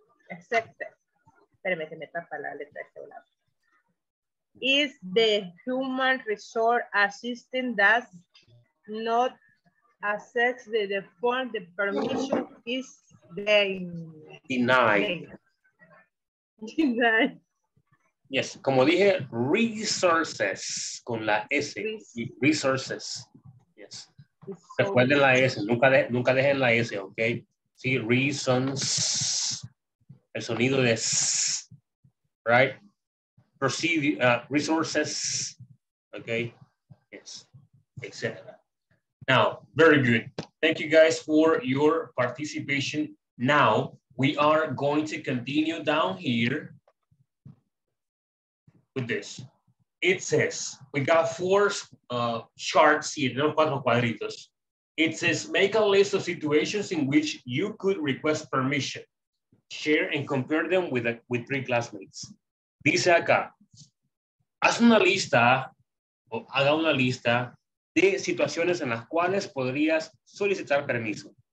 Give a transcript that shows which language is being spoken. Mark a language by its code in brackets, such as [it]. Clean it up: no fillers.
[es] Espérame que me tapa la letra de este lado. [en] Is the human resource assistant does not accept the form, the permission is [es] denied. Yes, como dije, resources con la S. Resources. Yes. Recuerden la S. Nunca dejen la S, ok? Sí, reasons. El sonido de S. [en] Right? Procedure, resources. Ok? Yes. Etc. Now, very good. Thank you guys for your participation. Now, we are going to continue down here with this. It says, we got four charts here, [es] no cuatro cuadritos. [en] It says, make a list of situations in which you could request permission. Share and compare them with three classmates. [es] Dice acá, haz una lista, o haga una lista de situaciones en las cuales podrías solicitar permiso.